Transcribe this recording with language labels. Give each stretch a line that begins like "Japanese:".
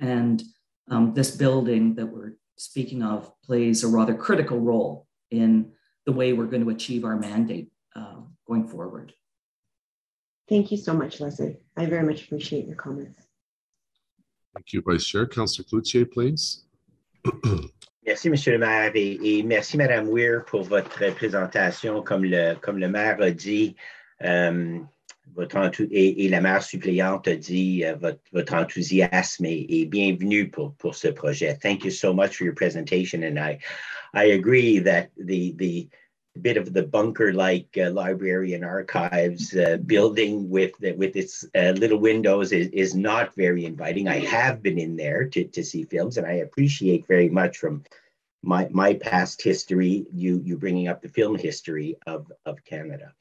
English: And this building that we're speaking of plays a rather critical role in the way we're going to achieve our mandate going forward. Thank you so much, Leslie. I very much appreciate your comments. Thank you, Vice Chair. Councillor Cloutier, please.
French: Merci, Monsieur le maire, et merci, Madame Weir, pour votre présentation. Comme le maire a dit, et la maire suppléante a dit, votre enthousiasme est bienvenue pour ce projet.
English: Thank you so much for your presentation, and I agree that the bit of the bunker-like library and archives building with its little windows is not very inviting. I have been in there to see films, and I appreciate very much from my past history, you bringing up the film history of Canada.